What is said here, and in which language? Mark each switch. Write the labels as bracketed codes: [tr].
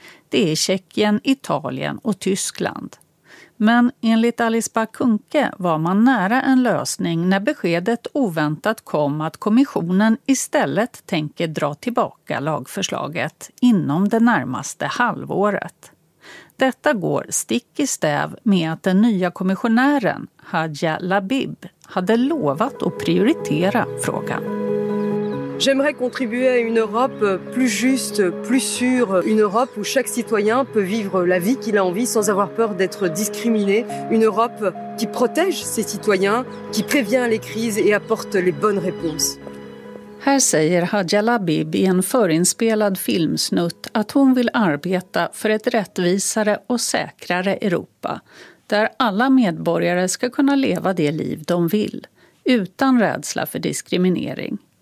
[sv] Det är Tjeckien, Italien och Tyskland. Men enligt Alice Bah Kuhnke var man nära en lösning när beskedet oväntat kom att kommissionen istället tänker dra tillbaka lagförslaget inom det närmaste halvåret. Detta går stick i stäv med att den nya kommissionären, Hadja Labib, hade lovat att prioritera frågan. [fr] J'aimerais contribuer à une Europe plus juste, plus sûre, une Europe où chaque citoyen peut vivre la vie qu'il a envie sans avoir peur d'être discriminé, une Europe qui protège ses citoyens, qui prévient les crises et apporte les bonnes réponses. [sv] Här säger Hadja Labib i en förinspelad filmsnutt att hon vill arbeta för ett rättvisare och säkrare Europa där alla medborgare ska kunna leva det liv de vill utan rädsla för diskriminering.